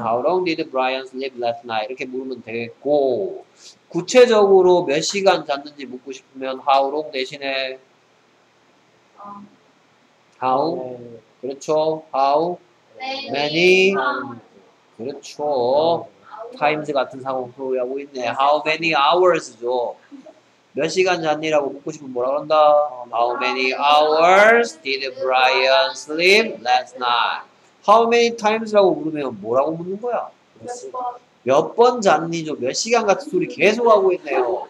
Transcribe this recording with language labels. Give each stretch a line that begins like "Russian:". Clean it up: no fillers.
English: How long did Brian sleep last night?
Korean: 이렇게 물으면 되겠고, 구체적으로 몇 시간 잤는지 묻고 싶으면
English: how long
Korean: 대신에
English: how
Korean: 그렇죠.
English: how many
Korean: 그렇죠. times 같은 상황으로 하고 있네.
English: how many hours죠.
Korean: 몇 시간 잤니라고 묻고 싶으면 뭐라 그런다?
English: How many hours did Brian sleep last night? How many times
Korean: 라고 물으면 뭐라고 묻는 거야? 몇 번 잤니죠? 몇 시간 같은 소리 계속 하고 있네요.